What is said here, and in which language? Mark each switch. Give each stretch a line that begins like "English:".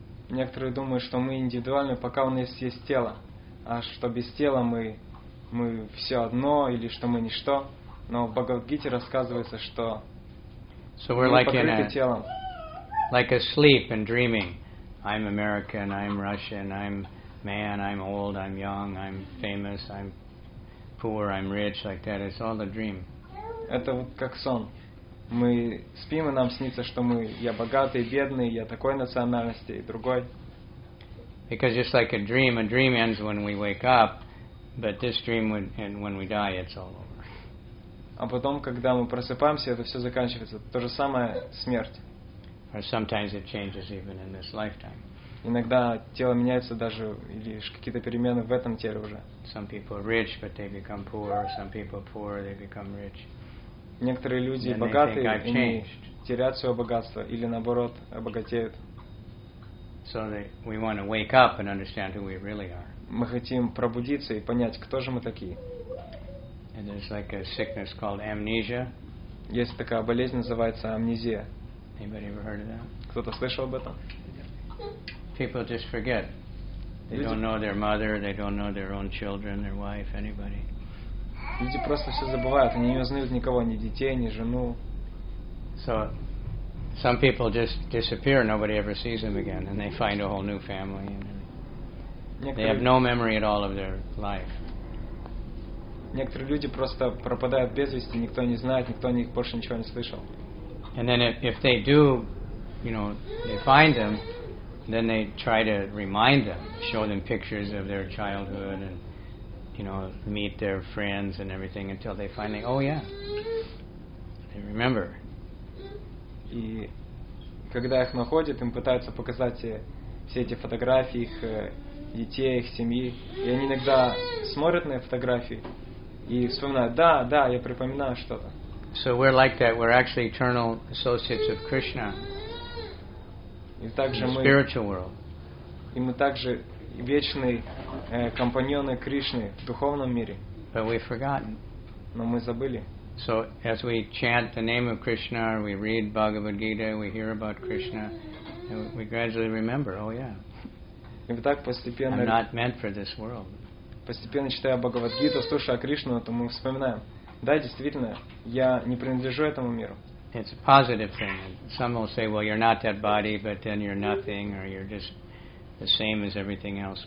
Russian: Некоторые думают, что мы индивидуальны, пока у нас есть тело. А что без тела мы все одно, или что мы ничто. Но в Бхагавад Гите рассказывается, что
English: so we're
Russian: мы
English: like
Russian: покрыты
English: in a,
Russian: телом.
English: Like asleep and dreaming. I'm American, I'm Russian, I'm man, I'm old, I'm young, I'm famous, I'm poor, I'm rich, like that. It's all a dream.
Russian: Это вот как сон. Мы спим, и нам снится, что мы я богатый, бедный, я такой национальности, и другой.
English: Because just like a dream ends when we wake up, but this dream would end when we die, it's all over.
Russian: А потом, когда мы просыпаемся, это все заканчивается. То же самое смерть.
English: Or sometimes it changes even in this lifetime.
Russian: Иногда тело меняется даже, или какие-то перемены в этом теле уже.
English: Some people are rich, but they become poor. Some people are poor, they become rich.
Russian: Некоторые люди богатые, они теряют свое богатство или наоборот обогатеют.
English: So we want to wake up and understand who we really are.
Russian: Мы хотим пробудиться и понять, кто же мы такие.
English: And there's like a sickness called amnesia.
Russian: Есть такая болезнь, называется амнезия.
English: Anybody ever heard of that?
Russian: Кто-то слышал об этом?
English: People just forget. They don't know their mother, they don't know their own children, their wife, anybody.
Russian: Люди просто все забывают, они не знают никого, ни детей, ни жену.
English: So, some people just disappear, nobody ever sees them again, and they find a whole new family. They have no memory at all of their life.
Russian: Некоторые люди просто пропадают без вести, никто не знает, никто о них больше ничего не слышал.
English: And then if they do, you know, they find them, then they try to remind them, show them pictures of their childhood and, you know, meet their friends and everything until they finally, oh yeah, they remember.
Russian: И когда их находят, им пытаются показать все эти фотографии их детей, их семьи. И они иногда смотрят на фотографии и вспоминают, да, да, я припоминаю что-то.
English: So we're like that. We're actually eternal associates of Krishna in the spiritual world.
Russian: И мы также вечные компаньоны Кришны в духовном мире.
English: But we've forgotten.
Russian: Но мы забыли.
English: So as we chant the name of Krishna, we read Bhagavad Gita, we hear about Krishna, and we gradually remember, oh yeah.
Russian: И вот так постепенно.
English: I'm not meant for this world.
Russian: Постепенно читая Бхагавад Гиту, слушая Кришну, то мы вспоминаем. Да, действительно, я не принадлежу этому миру.
English: It's a positive thing. Some will say, well, you're not that body, but then you're nothing, or you're just the same as everything else.